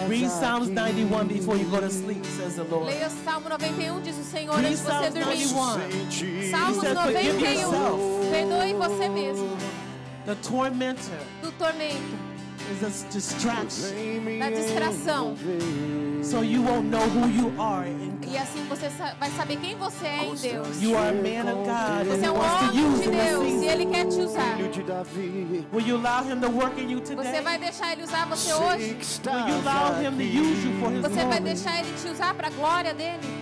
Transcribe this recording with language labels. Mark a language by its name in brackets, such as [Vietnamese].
[English] Read Psalms 91 before you go to sleep, says the Lord. [Portuguese] Leia Salmo 91, diz o Senhor, antes de você dormir. [English] Psalms 91. [Portuguese] Salmos 91. Perdoe você mesmo. [English] The tormentor. [Portuguese] Do tormento. [English] Is a distraction. [Portuguese] Da distração. [English] So you won't know who you are in God. [Portuguese] E assim você vai saber quem você é em Deus. [English] You are a man of God. [Portuguese] Você é um homem de Deus e Ele quer te usar. [English] Will you allow Him to work in you today? [Portuguese] Você vai deixar Ele usar você hoje? [English] Will you allow Him to use you for His glory? [Portuguese] Você vai deixar Ele te usar para a glória dele?